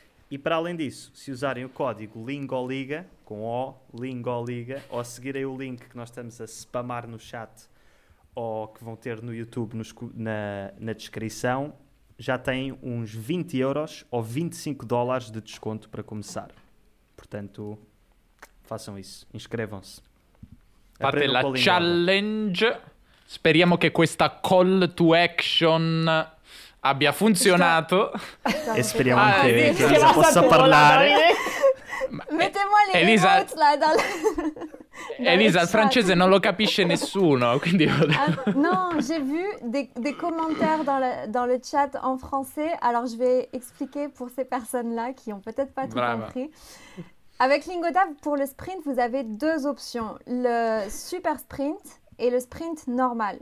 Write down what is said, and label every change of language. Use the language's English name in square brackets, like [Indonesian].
[Portuguese] E para além disso, se usarem o código Lingoliga, com O, Lingoliga, ou seguirem o link que nós estamos a spamar no chat, ou que vão ter no YouTube na descrição, já têm uns 20 euros ou 25 dólares de desconto para começar. Portanto, façam isso, inscrevam-se. [Italian] Fate la challenge, speriamo che questa [English] call to action [Italian] abbia funzionato. E speriamo che Elisa possa parlare. Mettiamo le Elisa, notes là, dalle... Elisa, il francese non lo capisce nessuno, quindi... [French] No, j'ai vu des commentaires dans le chat en français, alors je vais expliquer pour ces personnes-là qui ont peut-être pas tout [Italian] Brava. [French] Compris. Avec Lingoda, pour le sprint, vous avez deux options. Le super sprint et le sprint normal.